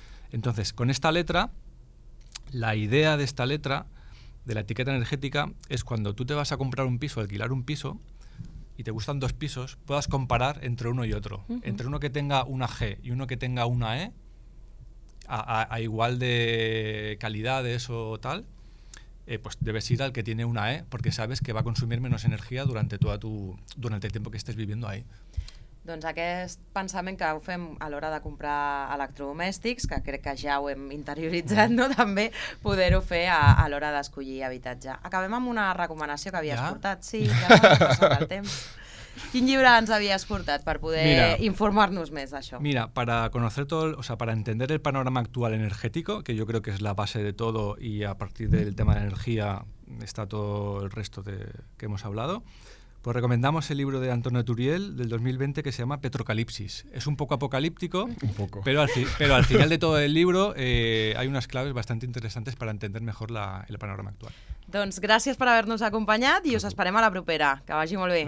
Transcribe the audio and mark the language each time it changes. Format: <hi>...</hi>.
<es>Entonces, con esta letra, la idea de esta letra, de la etiqueta energética, es cuando tú te vas a comprar un piso, alquilar un piso, y te gustan dos pisos, puedas comparar entre uno y otro. Uh-huh. Entre uno que tenga una G y uno que tenga una E, a igual de calidades o tal, pues debes ir al que tiene una E, porque sabes que va a consumir menos energía durante toda tu, durante el tiempo que estés viviendo ahí.</es> <ca>Doncs aquest pensament que ho fem a l'hora de comprar electrodomèstics, que crec que ja ho hem interioritzat, no? També poder-ho fer a l'hora d'escollir habitatge. Acabem amb una recomanació que havies portat. Sí, ja no passa el temps. ¿Quin llibre ens havies portat per poder informar-nos més d'això?</ca> <es>Mira, para conocer todo, o sea, para entender el panorama actual energético, que yo creo que es la base de todo y a partir del tema de energía está todo el resto de, que hemos hablado, pues recomendamos el libro de Antonio Turiel del 2020 que se llama Petrocalipsis. Es un poco apocalíptico, un poco. Pero al final de todo el libro hay unas claves bastante interesantes para entender mejor el panorama actual.</es> <ca>Doncs gràcies per haver-nos acompanyat i us esperem a la propera. Que vagi molt bé.</ca>